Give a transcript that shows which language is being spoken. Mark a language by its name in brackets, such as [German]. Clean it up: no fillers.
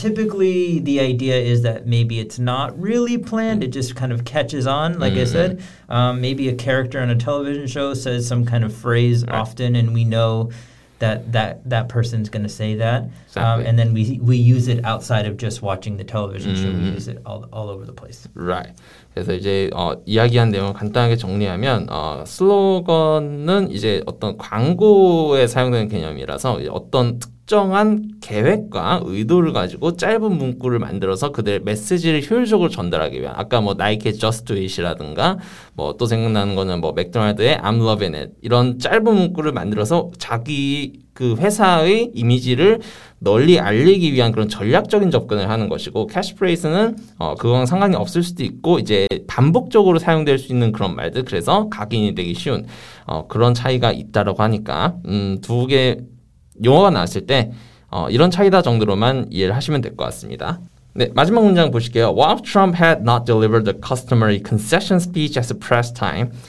[English] Typically, the idea is that maybe it's not really planned. It just kind of catches on, like I said. Maybe a character on a television show says some kind of phrase often, and we know that person's going to say that. Exactly. And then we use it outside of just watching the television show. We use it all over the place. Right. [Korean] 그래서 이제 이야기한 내용을 간단하게 정리하면 슬로건은 이제 어떤 광고에 사용되는 개념이라서 어떤 특정한 계획과 의도를 가지고 짧은 문구를 만들어서 그들의 메시지를 효율적으로 전달하기 위한 아까 뭐 나이키의 Just Do It이라든가 뭐 또 생각나는 거는 뭐 맥도날드의 I'm Loving It 이런 짧은 문구를 만들어서 자기 그 회사의 이미지를 널리 알리기 위한 그런 전략적인 접근을 하는 것이고 캐치프레이스는 그거랑 상관이 없을 수도 있고 이제 반복적으로 사용될 수 있는 그런 말들 그래서 각인이 되기 쉬운 그런 차이가 있다라고 하니까 두 개 용어가 나왔을 때 이런 차이다 정도로만 이해를 하시면 될 것 같습니다. 네, 마지막 문장 보실게요. [English] While Trump had not delivered the customary concession speech at the press time.